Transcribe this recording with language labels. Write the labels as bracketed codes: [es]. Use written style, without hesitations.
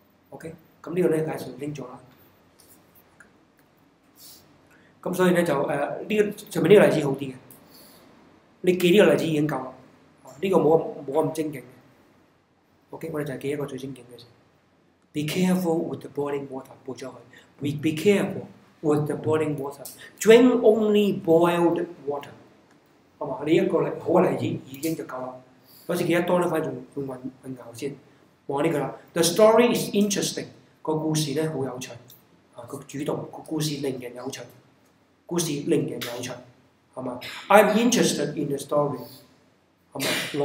[yue] OK， 咁呢個咧係上升咗啦。咁所以咧就呢個上面呢個例子好啲嘅。你記呢個例子已經夠啦。呢個冇咁精勁嘅。OK， 我哋就係記一個最精勁嘅先。 [en] Be careful with the boiling water. [yue] 補咗佢。 [en] Be careful。 With the boiling water, drink only boiled water. [yue] 係嘛？你一個例好嘅例子已經就夠啦。有時記得多咧，反而仲混淆先。我呢個啦 ， [en] The story is interesting. [yue] 個故事咧好有趣。啊，個主動個故事令人有趣，故事令人有趣，係嘛 ？ [en] I'm interested in the story. [yue] 係嘛？